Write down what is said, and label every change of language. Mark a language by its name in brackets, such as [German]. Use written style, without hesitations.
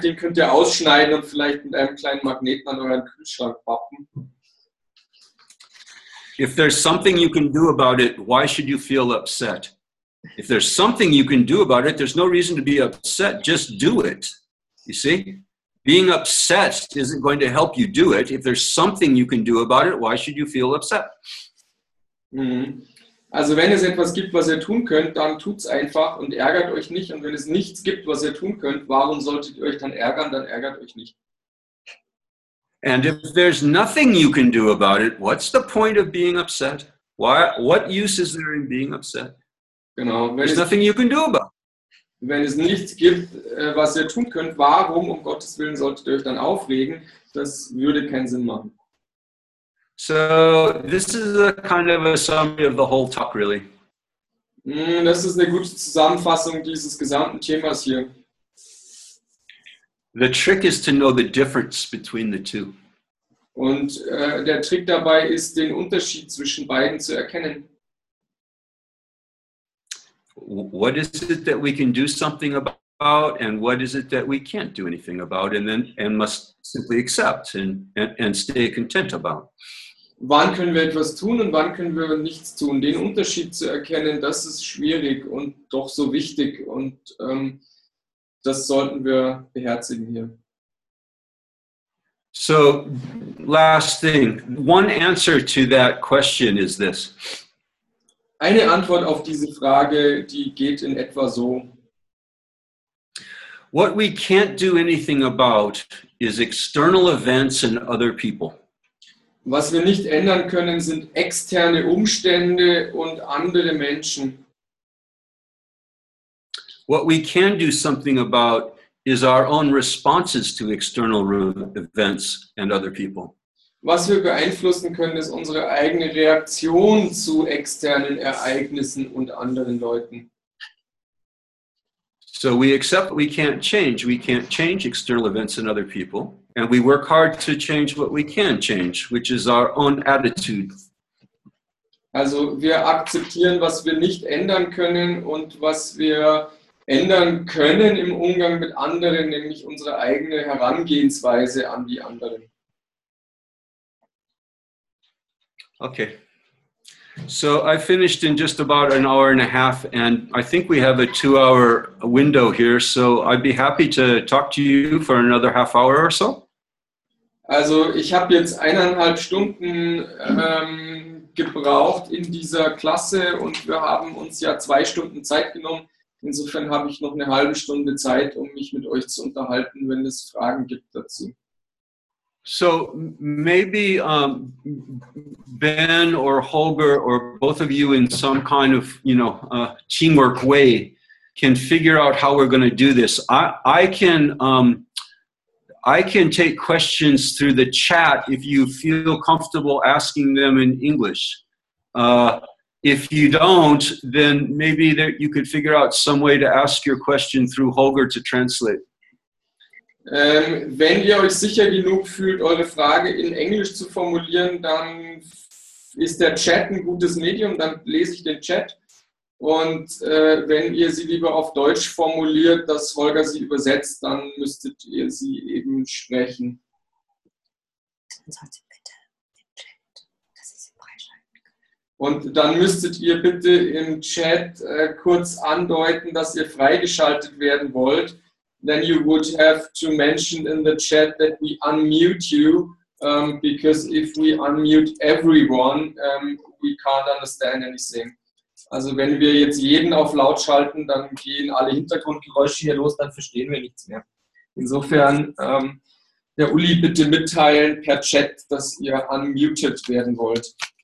[German] Den könnt ihr ausschneiden und vielleicht mit einem kleinen Magneten an euren Kühlschrank pappen. [English] If there's something you can do about it, why should you feel upset? If there's something you can do about it, there's no reason to be upset. Just do it. You see? Being obsessed isn't going to help you do it. If there's something you can do about it, why should you feel upset? [German] Also wenn es etwas gibt, was ihr tun könnt, dann tut's einfach und ärgert euch nicht. Und wenn es nichts gibt, was ihr tun könnt, warum solltet ihr euch dann ärgern? Dann ärgert euch nicht. [English] And if there's nothing you can do about it, what's the point of being upset? Why? What use is there in being upset? [German] Genau. [English] There's nothing you can do about. [German] Wenn es nichts gibt, was ihr tun könnt, warum um Gottes Willen solltet ihr euch dann aufregen? Das würde keinen Sinn machen. [English] So, this is a kind of a summary of the whole talk, really. [German] Das ist eine gute Zusammenfassung dieses gesamten Themas hier. [English] The trick is to know the difference between the two. [German] Und der Trick dabei ist, den Unterschied zwischen beiden zu erkennen. [English] What is it that we can do something about, and what is it that we can't do anything about, and must simply accept and stay content about? [German] Wann können wir etwas tun und wann können wir nichts tun? Den Unterschied zu erkennen, das ist schwierig und doch so wichtig und das sollten wir beherzigen hier. [English] So, last thing. One answer to that question is this. [German] Eine Antwort auf diese Frage, die geht in etwa so. [English] What we can't do anything about is external events and other people. [German] Was wir nicht ändern können, sind externe Umstände und andere Menschen. [English] What we can do something about is our own responses to external events and other people. [German] Was wir beeinflussen können, ist unsere eigene Reaktion zu externen Ereignissen und anderen Leuten. [English] So we accept we can't change. We can't change external events and other people. And we work hard to change what we can change, which is our own attitude. [German] Also wir akzeptieren, was wir nicht ändern können und was wir ändern können im Umgang mit anderen, nämlich unsere eigene Herangehensweise an die anderen. [English] Okay. So I finished in just about an hour and a half, and I think we have a 2-hour window here, so I'd be happy to talk to you for another half hour or so. [German] Also ich habe jetzt 1,5 Stunden gebraucht in dieser Klasse und wir haben uns ja 2 Stunden Zeit genommen. Insofern habe ich noch 1/2 Stunde Zeit, um mich mit euch zu unterhalten, wenn es Fragen gibt dazu. [English] So maybe Ben or Holger or both of you in some kind of, you know, teamwork way can figure out how we're going to do this. I can take questions through the chat if you feel comfortable asking them in English. If you don't, then maybe there, you could figure out some way to ask your question through Holger to translate. [German] Wenn ihr euch sicher genug fühlt, eure Frage in Englisch zu formulieren, dann ist der Chat ein gutes Medium, dann lese ich den Chat. Und wenn ihr sie lieber auf Deutsch formuliert, dass Holger sie übersetzt, dann müsstet ihr sie eben sprechen. Und dann müsstet ihr bitte im Chat kurz andeuten, dass ihr freigeschaltet werden wollt. [English] Then you would have to mention in the chat that we unmute you, because if we unmute everyone, we can't understand anything. [German] Also wenn wir jetzt jeden auf laut schalten, dann gehen alle Hintergrundgeräusche hier los, dann verstehen wir nichts mehr. Insofern, der Uli, bitte mitteilen per Chat, dass ihr unmuted werden wollt.